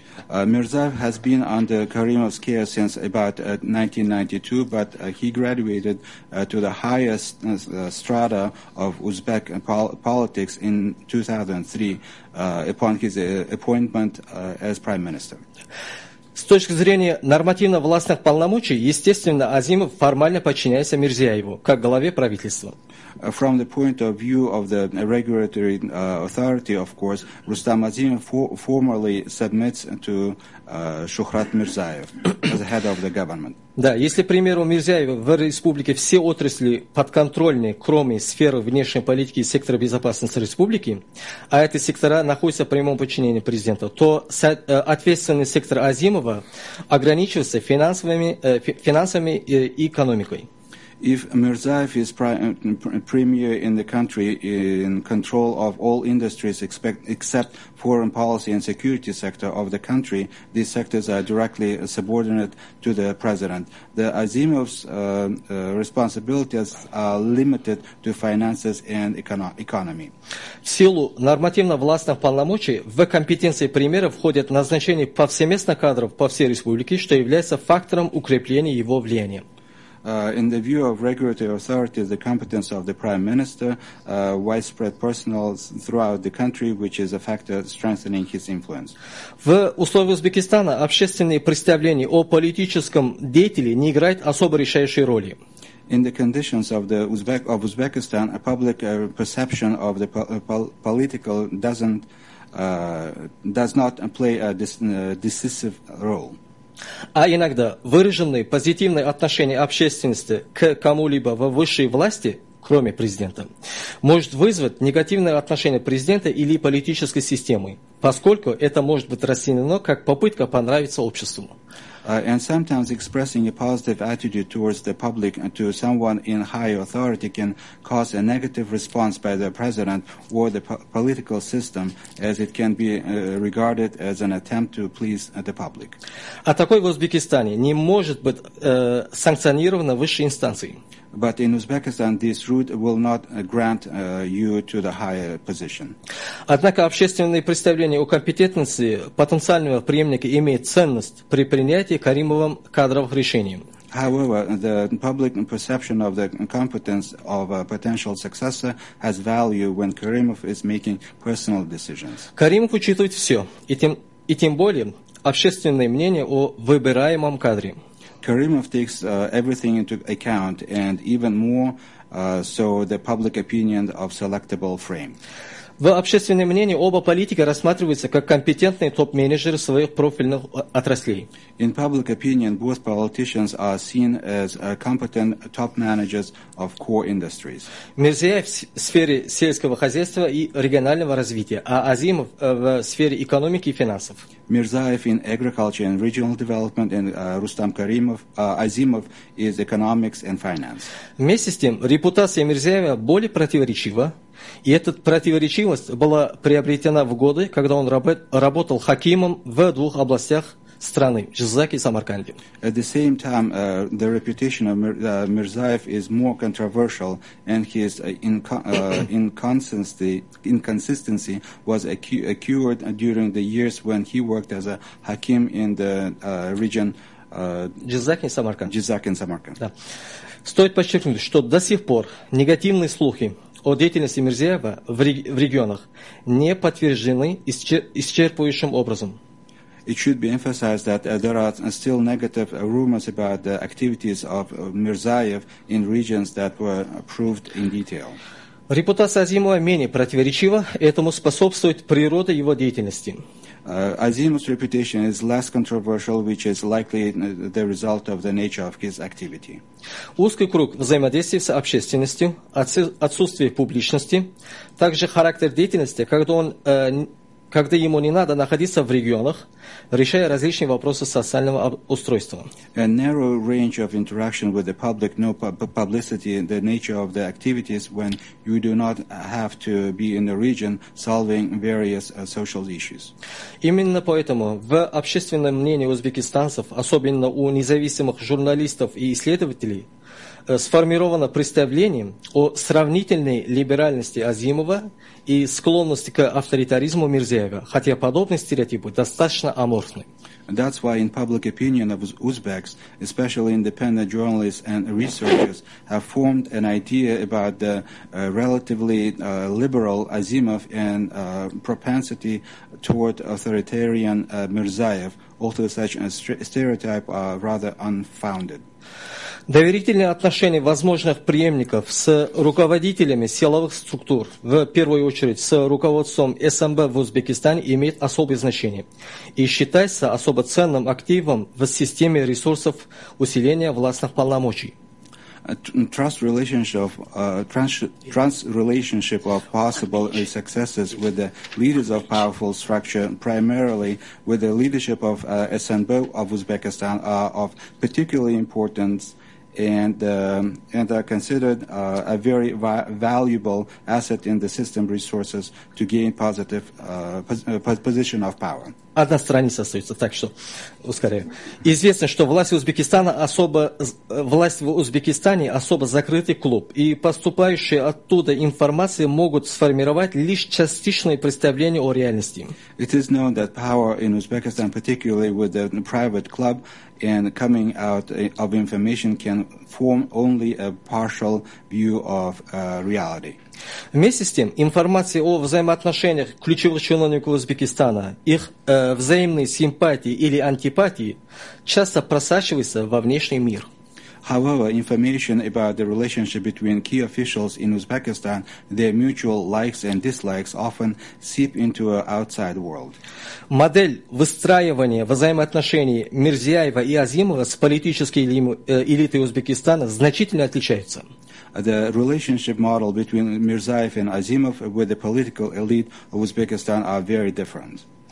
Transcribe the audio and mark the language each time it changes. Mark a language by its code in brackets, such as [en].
[en] Mirzaev has been under Karimov's care since about 1992, but he graduated to the highest strata of Uzbek politics in 2003 upon his appointment as prime minister. [ru] С точки зрения нормативно-властных полномочий, естественно, Азимов формально подчиняется Мирзиёеву как главе правительства. [en] From the point of view of the regulatory authority, of course, Rustam Azimov formally submits to Shuhrat Mirziyoyev as the head of the government. [ru] Да, если, к примеру, у Мирзиёева в республике все отрасли подконтрольны, кроме сферы внешней политики и сектора безопасности республики, а эти сектора находятся в прямом подчинении президента, то ответственный сектор Азимова ограничивается финансовыми и экономикой. [en] If Mirziyoyev is premier in the country in control of all industries except foreign policy and security sector of the country, these sectors are directly subordinate to the president. The Azimov's responsibilities are limited to finances and economy. [ru] В силу нормативно-властных полномочий в компетенции премьера входит назначение повсеместно кадров по всей республике, что является фактором укрепления его влияния. [en] In the view of regulatory authorities, the competence of the Prime Minister, widespread personnel throughout the country, which is a factor strengthening his influence. [ru] В условиях Узбекистана общественные представления о политическом деятеле не играют особо решающей роли. [en] In the conditions of the Uzbekistan, a public perception of the political does not play a decisive role. [ru] А иногда выраженные позитивные отношения общественности к кому-либо во высшей власти, кроме президента, может вызвать негативное отношение президента или политической системы, поскольку это может быть расценено как попытка понравиться обществу. [en] And sometimes expressing a positive attitude towards the public and to someone in high authority can cause a negative response by the president or the political system, as it can be regarded as an attempt to please the public. [ru] А такой в Узбекистане не может быть санкционировано высшей инстанцией. [en] But in Uzbekistan, this route will not grant you to the higher position. [ru] Однако общественные представления о компетентности потенциального преемника имеют ценность при принятии Каримовым кадровых решений. [en] However, the public perception of the competence of a potential successor has value when Karimov is making personal decisions. [ru] Каримов учитывает все, и тем более общественное мнение о выбираемом кадре. [en] Каримов takes everything into account, and even more so the public opinion of selectable frame. [ru] В общественном мнении оба политика рассматриваются как компетентные топ-менеджеры своих профильных отраслей. [en] In public opinion, both politicians are seen as competent top managers of core industries. [ru] Мирзиёев в сфере сельского хозяйства и регионального развития, а Азимов в сфере экономики и финансов. [en] Мирзиёев in agriculture and regional development, and Рустам Каримов, Азимов is economics and finance. [ru] Вместе с тем, репутация Мирзиёева более противоречива, и эта противоречивость была приобретена в годы, когда он работал хакимом в двух областях страны, Жизак и Самарканде. [en] At the same time, the reputation of Мирзиёев is more controversial, and his inconsistency was occurred during the years when he worked as a hakim in the region Жизак и Самарканд. [ru] Да. Стоит подчеркнуть, что до сих пор негативные слухи о деятельности Мирзиёева в регионах не подтверждены исчерпывающим образом. [en] It should be emphasized that there are still negative rumors about the activities of Мирзиёев in regions that were proved in detail. [ru] Репутация Азимова менее противоречива, этому способствует природа его деятельности. [en] Азимов's reputation is less controversial, which is likely the result of the nature of his activity. [ru] Узкий круг взаимодействия с общественностью, отсутствие публичности, также характер деятельности, когда ему не надо находиться в регионах, решая различные вопросы социального устройства. [en] A narrow range of interaction with the public, no publicity, the nature of the activities when you do not have to be in the region solving various social issues. [ru] Именно поэтому в общественном мнении узбекистанцев, особенно у независимых журналистов и исследователей, сформировано представление о сравнительной либеральности Азимова и склонности к авторитаризму Мирзиёева, хотя подобные стереотипы достаточно аморфны. [en] That's why in public opinion of Uzbeks, especially independent journalists and researchers, have formed an idea about the relatively liberal Azimov and propensity toward authoritarian Mirzayev, author such a stereotype are rather unfounded. [ru] Доверительные отношения возможных преемников с руководителями силовых структур, в первую очередь с руководством СНБ в Узбекистане, имеют особое значение и считаются особо ценным активом в системе ресурсов усиления властных полномочий. [en] Trust relationship of possible successes with the leaders of powerful structure, primarily with the leadership of SNB of Uzbekistan, are of particular importance and are considered a very valuable asset in the system resources to gain positive position of power. [ru] Одна страница остается, так что ускоряю. Известно, что власть Узбекистана особо, власть в Узбекистане особо закрытый клуб, и поступающие оттуда информации могут сформировать лишь частичные представления о реальности. [en] It is known that power in Uzbekistan, particularly with the private club and coming out of information, can form only a partial view of reality. [ru] Вместе с тем, информации о взаимоотношениях ключевых чиновников Узбекистана, их взаимные симпатии или антипатии, часто просачиваются во внешний мир. [en] However, information about the relationship between key officials in Uzbekistan, their mutual likes and dislikes, often seep into an outside world. [ru] Модель выстраивания взаимоотношений Мирзиёева и Азимова с политической элитой Узбекистана значительно отличается. [en] The relationship model between Mirziyoyev and Azimov with the political elite of Uzbekistan are very different.